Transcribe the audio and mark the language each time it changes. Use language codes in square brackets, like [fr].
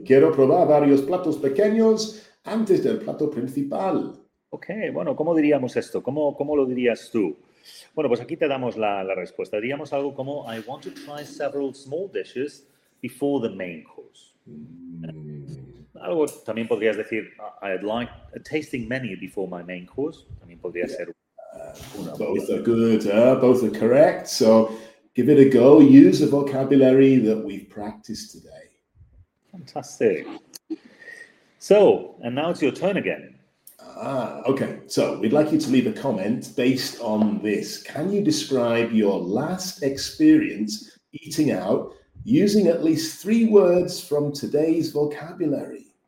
[es] Quiero probar varios platos pequeños antes del plato principal. Okay, bueno, ¿cómo diríamos esto? ¿Cómo lo dirías tú? Bueno, pues aquí te damos la respuesta. Diríamos algo como, [en] I want to try several small dishes before the main course. [es] Algo también podrías decir, [en] I'd like tasting many before my main course. [es] También podría ser una. [en] Both are good, both are correct. So give it a go. Use the vocabulary that we've practiced today. Fantastic. So, and now it's your turn again. Okay. So we'd like you to leave a comment based on this. Can you describe your last experience eating out using at least three words from today's vocabulary?